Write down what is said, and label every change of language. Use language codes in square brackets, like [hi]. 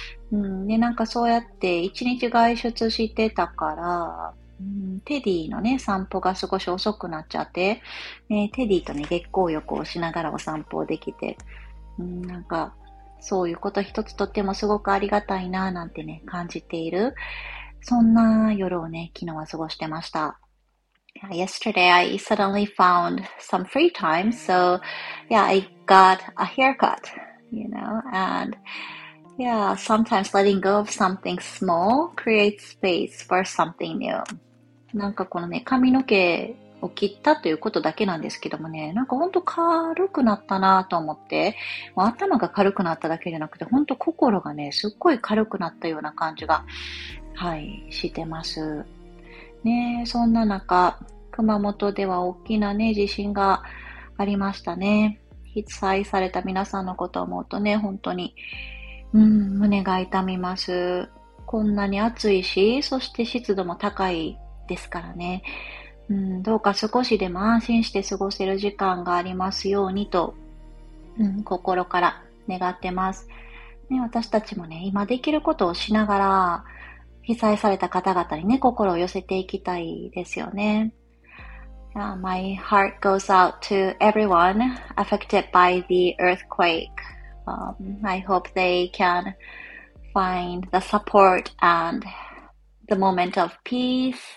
[ja] なんかそうやって一日外出してたから、テディのね、散歩が少し遅くなっちゃって、ね、テディとね、月光浴をしながらお散歩できて、なんか、そういうこと一つとってもすごくありがたいなぁなんてね、感じている。そんな夜をね、昨日は過ごしてました。 [en] Yesterday I suddenly found some free time, so yeah, I got a haircut, you know, and yeah, sometimes letting go of something small creates space for something new. [ja] なんかこのね、髪の毛を切ったということだけなんですけどもね、なんか本当軽くなったなぁと思って、もう頭が軽くなっただけじゃなくて、本当心がね、すっごい軽くなったような感じが、はい、してます。ねえ、そんな中、熊本では大きなね、地震がありましたね。被災された皆さんのことを思うとね、本当に、胸が痛みます。こんなに暑いし、そして湿度も高いですからね。どうか少しでも安心して過ごせる時間がありますようにと、心から願ってます、ね。私たちもね、今できることをしながら、被災された方々にね、心を寄せていきたいですよね。 [en] My heart goes out to everyone affected by the earthquake. I hope they can find the support and the moment of peace.